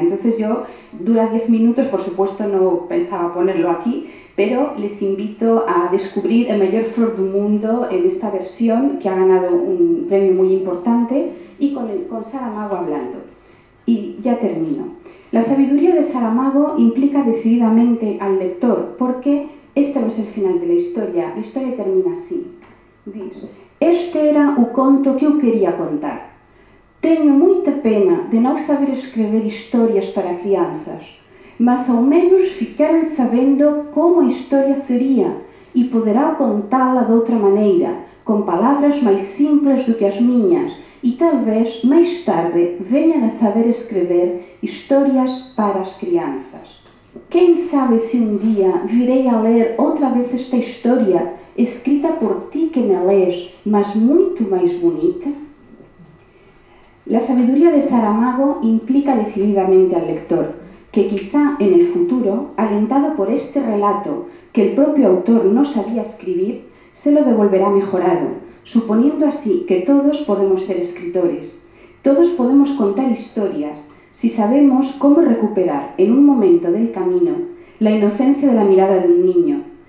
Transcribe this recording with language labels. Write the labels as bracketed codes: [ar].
[es] Entonces yo, dura 10 minutos, por supuesto no pensaba ponerlo aquí, pero les invito a descubrir La mayor flor del mundo en esta versión, que ha ganado un premio muy importante, y con Saramago hablando. Y ya termino. La sabiduría de Saramago implica decididamente al lector, porque este no es el final de la historia termina así. [pt] Diz, este era o conto que eu quería contar. Tenho muita pena de não saber escrever histórias para crianças, mas ao menos ficarem sabendo como a história seria e poderá contá-la de outra maneira, com palavras mais simples do que as minhas, e talvez, mais tarde, venham a saber escrever histórias para as crianças. Quem sabe se um dia virei a ler outra vez esta história, escrita por ti que me lês, mas muito mais bonita? [es] La sabedoria de Saramago implica decididamente al lector, que quizá en el futuro, alentado por este relato que el propio autor no sabía escribir, se lo devolverá mejorado, suponiendo así que todos podemos ser escritores, todos podemos contar historias, si sabemos cómo recuperar en un momento del camino la inocencia de la mirada de un niño,